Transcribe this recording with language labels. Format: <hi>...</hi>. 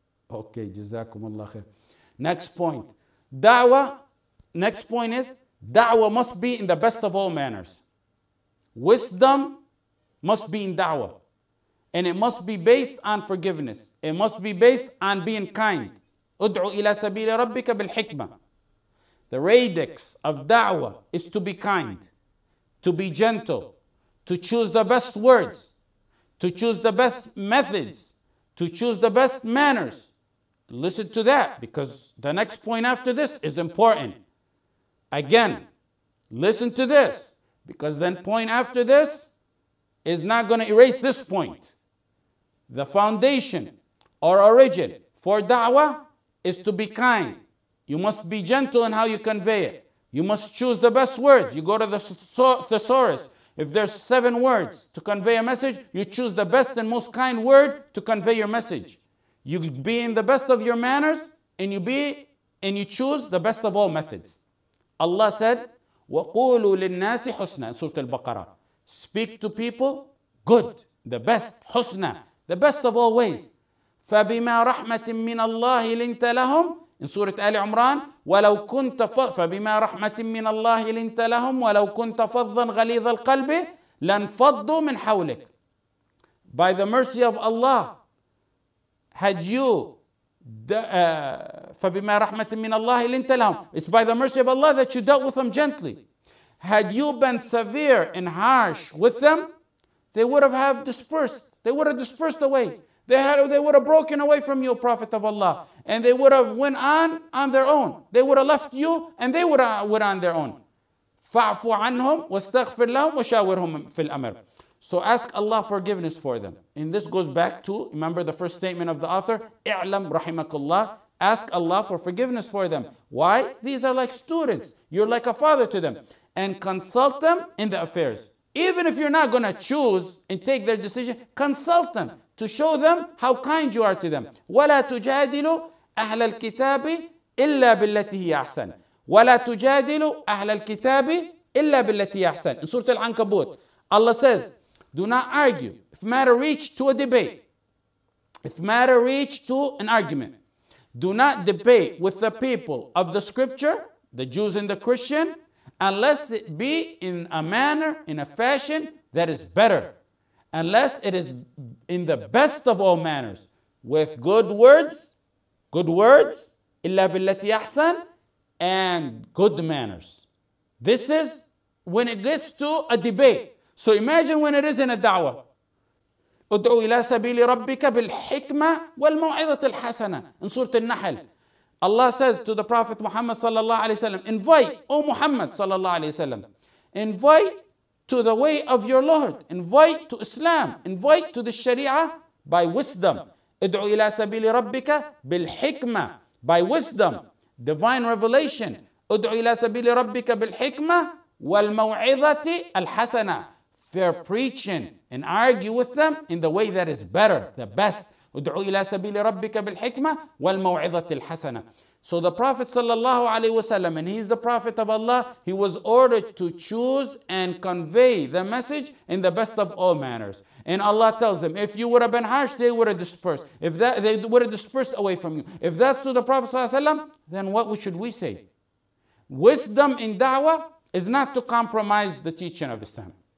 <en>Okay, jazakumullah khair. Next point, da'wah. Next point is da'wah must be in the best of all manners. Wisdom must be in da'wah. And it must be based on forgiveness. It must be based on being kind.</en> <ar>ادعو إلى سبيل ربك بالحكمة.</ar> <en>The radix of da'wah is to be kind, to be gentle, to choose the best words, to choose the best methods, to choose the best manners. Listen to that, because the next point after this is important. Again, listen to this, because then point after this is not going to erase this point. The foundation or origin for da'wah is to be kind. You must be gentle in how you convey it. You must choose the best words. You go to the thesaurus. If there's 7 words to convey a message, you choose the best and most kind word to convey your message. You be in the best of your manners, and you choose the best of all methods. Allah said,</en> <ar>وَقُولُوا لِلنَّاسِ حُسْنَا,</ar> <en>Surah Al-Baqarah. Speak to people good, the best, حُسْنَا. The best of all ways.</en> <ar>فَبِمَا رَحْمَةٍ مِّنَ اللَّهِ لِنْتَ لَهُمْ</ar> <en>In Surah Ali Imran,</en> <ar>وَلَوْ كُنْتَ فَبِمَا رَحْمَةٍ مِّنَ اللَّهِ لِنْتَ لَهُمْ وَلَوْ كُنْتَ فَضًّا غَلِيظَ الْقَلْبِ لَنْفَضُّوا مِنْ حَوْلِكَ</ar> <en>By the mercy of Allah, had you...</en> <ar>فَبِمَا رَحْمَةٍ مِّنَ اللَّهِ لِنْتَ لَهُمْ</ar> <en>It's by the mercy of Allah that you dealt with them gently. Had you been severe and harsh with them, they would have dispersed. They would have dispersed away. They would have broken away from you, Prophet of Allah. And they would have went on their own. They would have left you, and they would have went on their own.</en> <ar>فَعْفُ عَنْهُمْ وَاسْتَغْفِرْ لَهُمْ وَشَاوِرْهُمْ فِي الْأَمْرِ</ar> <en>So ask Allah forgiveness for them. And this goes back to, remember the first statement of the author,</en> <ar>اِعْلَمْ رَحِمَكُ اللَّهُ</ar> <en>Ask Allah for forgiveness for them. Why? These are like students. You're like a father to them. And consult them in the affairs. Even if you're not going to choose and take their decision, consult them to show them how kind you are to them.</en> <ar>وَلَا تُجَادِلُوا أَهْلَ الْكِتَابِ إِلَّا بِالَّتِي هِيَ أَحْسَنِ</ar> <en>وَلَا تُجَادِلُوا أَهْلَ الْكِتَابِ إِلَّا بِالَّتِي هِيَ أَحْسَنِ In Surah Al-Ankabut, Allah says, do not argue if matter reach to a debate, if matter reach to an argument. Do not debate with the people of the scripture, the Jews and the Christian, unless it be in a manner, in a fashion that is better. Unless it is in the best of all manners. With good words,</en> <ar>إِلَّا بِالَّتِي أَحْسَنِ</ar> <en>and good manners. This is when it gets to a debate. So imagine when it is in a da'wah.</en> <ar>أُدْعُوا إِلَى سَبِيلِ رَبِّكَ بِالْحِكْمَةِ وَالْمَوْعِظَةِ الْحَسَنَةِ</ar> <en>In Surah Al-Nahl. Allah says to the Prophet Muhammad sallallahu alaihi wasallam, invite, O Muhammad sallallahu alaihi wasallam, invite to the way of your Lord, invite to Islam, invite to the Sharia by wisdom.</en> <ar>ادعو إلى سبيل ربك بالحكمة</ar> <en>by wisdom, divine revelation.</en> <ar>ادعو إلى سبيل ربك بالحكمة والموعظة الحسنة.</ar> <en>Fair preaching and argue with them in the way that is better, the best.</en> <ar>ادعو إلى سبيل ربك بالحكمة والموعظة الحسنة.</ar> <en>So the Prophet صلى الله عليه وسلم, and he's the Prophet of Allah, he was ordered to choose and convey the message in the best of all manners. And Allah tells him, if you would have been harsh, they would have dispersed. If that, they would have dispersed away from you. If that's to the Prophet صلى الله عليه وسلم, then what should we say? Wisdom in da'wah is not to compromise the teaching of Islam.</en>